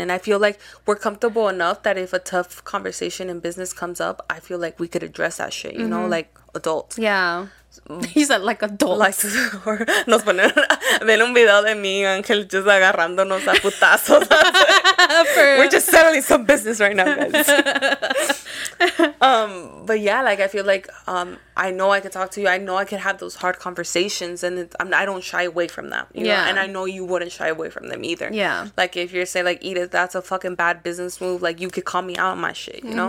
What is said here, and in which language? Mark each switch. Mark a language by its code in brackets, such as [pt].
[en] And I feel like we're comfortable enough that if a tough conversation in business comes up, I feel like we could address that shit, you mm-hmm. know? Like, adults. Yeah. He said, like, adults. Like, [es] nos ponen... Ven un video de mí, Ángel, just agarrándonos a putazos. [en] We're just settling some business right now, guys. But yeah, like, I feel like I know I could talk to you. I know I could have those hard conversations, and I don't shy away from them. You know? And I know you wouldn't shy away from them either. Yeah. Like, if you're saying, like, Edith, that's a fucking bad business move, like, you could call me out on my shit, you know?